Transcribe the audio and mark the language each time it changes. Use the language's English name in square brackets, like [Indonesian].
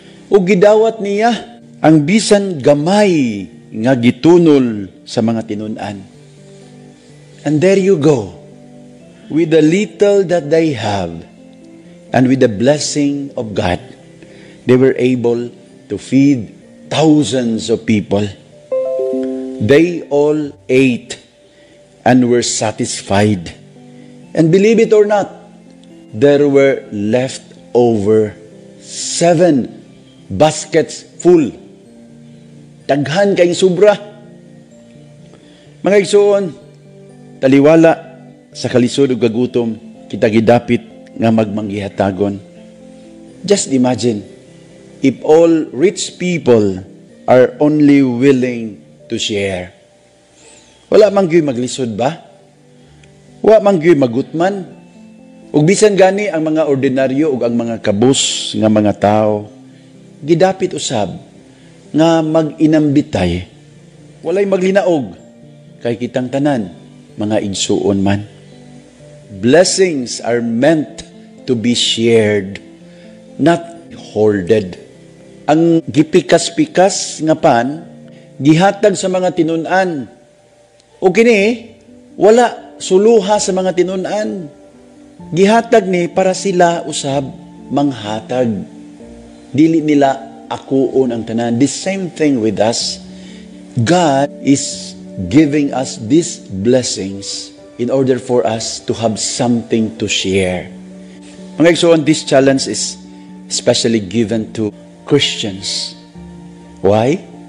[Cebuano] Ug gidawat niya ang bisan gamay nga gitunol sa mga tinun-an. [English] And there you go, with the little that they have and with the blessing of God, they were able to feed thousands of people. They all ate and were satisfied. And believe it or not, there were left over 7 baskets full. [Cebuano] Daghan kayong sobra. Mga igsoon, taliwala sa kalisod ug kagutom, kita gidapit nga magmangihatagon. [English] Just imagine, if all rich people are only willing to share. [Cebuano] Wala man gyud maglisod ba? Wa man gyud magutman? Ug bisan gani ang mga ordinaryo ug ang mga kabus nga mga tao, gidapit usab nga mag-inambitay. Walay maglinaog kay kitang tanan, mga igsuon man. [English] Blessings are meant to be shared, not hoarded. [Cebuano] Ang gipikas-pikas nga pan, gihatag sa mga tinunan. O kini, wala suluha sa mga tinunan. Gihatag ni para sila usab manghatag. Dili nila akuon ang tanan. [English] The same thing with us. God is giving us these blessings in order for us to have something to share. [Cebuano] Mga igsoon, [English] this challenge is especially given to Christians. Why?